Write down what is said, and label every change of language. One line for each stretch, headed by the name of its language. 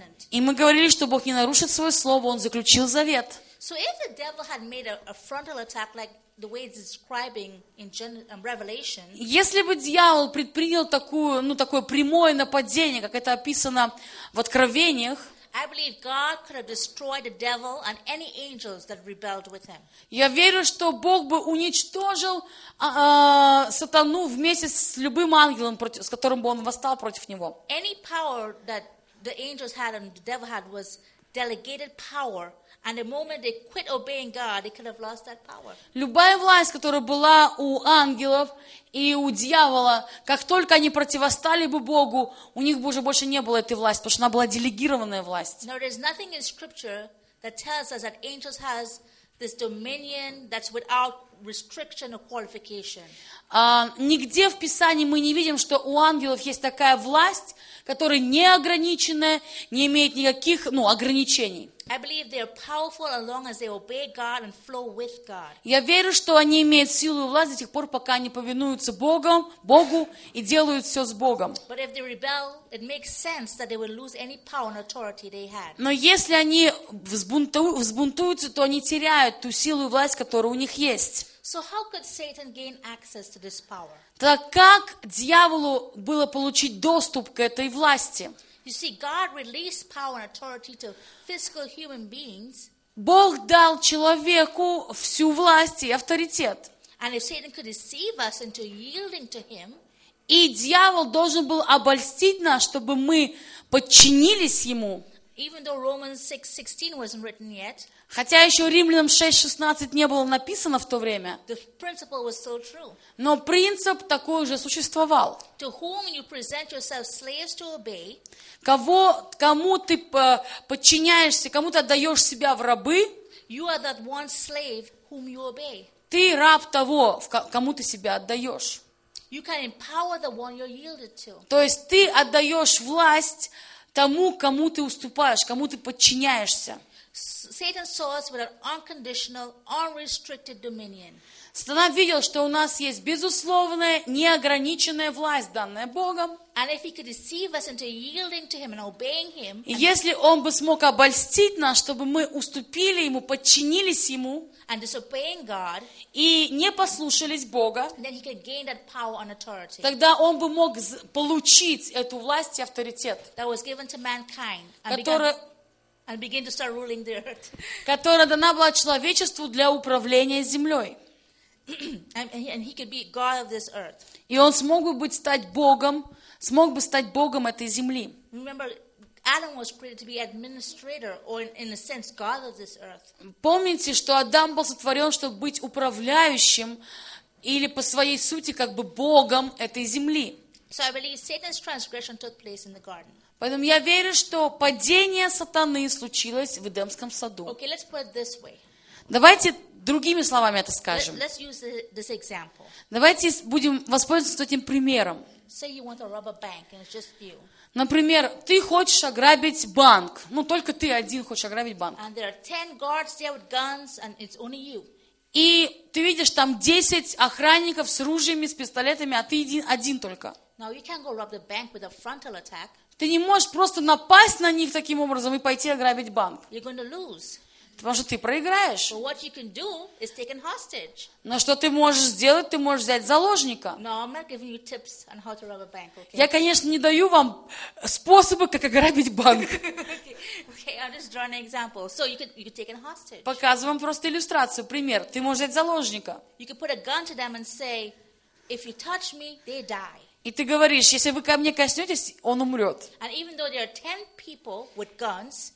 Russian: И мы говорили, что Бог не нарушит свое слово, он заключил завет.
English: So if the devil had made a frontal attack like the way it's describing in Revelation,
Russian: если бы дьявол предпринял такое прямое нападение, как это описано в Откровениях,
English: I believe God could have destroyed the devil and any angels that rebelled with him.
Russian: Я верю, что Бог бы уничтожил сатану вместе с любым ангелом, с которым бы он восстал против него.
English: Any power that the angels had and the devil had was delegated power, and the moment they quit obeying God, they could have lost that power.
Russian: Любая власть, которая была у ангелов и у дьявола, как только они противостали бы Богу, у них бы уже больше не было этой власти, потому что она была делегированная власть.
English: Now, there's nothing in Scripture that tells us that angels has this dominion that's without restriction or qualification.
Russian: Нигде в Писании мы не видим, что у ангелов есть такая власть, которая неограниченная, не имеет никаких ограничений.
English: I believe they are powerful as long as they obey God and flow with God.
Russian: Я верю, что они имеют силу и власть до тех пор, пока они повинуются Богу и делают все с Богом.
English: But if they rebel, it makes sense that they will lose any power and authority they had.
Russian: Но если они взбунтуются, то они теряют ту силу и власть, которая у них есть.
English: So how could Satan gain access to this power?
Russian: Так как дьяволу было получить доступ к этой власти?
English: You see, God released power and authority to physical human beings.
Russian: Бог дал человеку всю власть и авторитет.
English: And if Satan could deceive us into yielding to him,
Russian: и дьявол должен был обольстить нас, чтобы мы подчинились ему.
English: Even though Romans 6:16 wasn't written yet,
Russian: хотя еще Римлянам 6:16 не было написано в то время,
English: the principle was still true.
Russian: Но принцип такой уже существовал.
English: To whom you present yourself slaves to obey,
Russian: кому ты подчиняешься, кому ты отдаешь себя в рабы,
English: you are that one slave whom you obey.
Russian: Ты раб того, кому ты себя отдаешь.
English: You can empower the one you're yielded to.
Russian: То есть ты отдаешь власть тому, кому ты уступаешь, кому ты подчиняешься.
English: Satan saw us with an unconditional, unrestricted dominion.
Russian: Сатана видел, что у нас есть безусловная, неограниченная власть, данная Богом.
English: And if he could deceive us into yielding to him and obeying him,
Russian: если он бы смог обольстить нас, чтобы мы уступили ему, подчинились ему,
English: and disobeying God,
Russian: и не послушались Бога,
English: then he could gain that power and authority.
Russian: Тогда он бы мог получить эту власть и авторитет,
English: that was given to mankind, and begin to start ruling the earth.
Russian: Которая дана была человечеству для управления землей.
English: And he could be God of this earth.
Russian: И он смог бы стать Богом этой земли.
English: Remember, Adam was created to be administrator, or in a sense, God of this earth.
Russian: Помните, что Адам был сотворен, чтобы быть управляющим, или по своей сути, как бы Богом этой земли.
English: So I believe Satan's transgression took place in the garden.
Russian: Поэтому я верю, что падение сатаны случилось в Эдемском саду.
English: Okay, let's put it this way.
Russian: Давайте другими словами это скажем.
English: Let's use this example.
Russian: Давайте будем воспользоваться этим примером.
English: Say you want to rob a bank and it's just you.
Russian: Например, ты хочешь ограбить банк. Только ты один хочешь ограбить банк.
English: And there are 10 guards there with guns and it's only you.
Russian: И ты видишь там 10 охранников с ружьями, с пистолетами, а ты один только.
English: Now you can't go rob the bank with a frontal attack.
Russian: Ты не можешь просто напасть на них таким образом и пойти ограбить банк.
English: You're going to lose.
Russian: Потому что ты проиграешь.
English: But what you can do is taken hostage.
Russian: Но что ты можешь сделать, ты можешь взять заложника.
English: No, I'm not giving you tips on how to rob a bank, okay?
Russian: Я, конечно, не даю вам способы, как ограбить банк.
English: Okay, I'm just drawing an example. So you could take a hostage.
Russian: Показываю вам просто иллюстрацию, пример. Ты можешь взять заложника.
English: You could put a gun to them and say, If you touch me, they die.
Russian: И ты говоришь, если вы ко мне коснетесь, он умрет.
English: And even though there are 10 people with guns,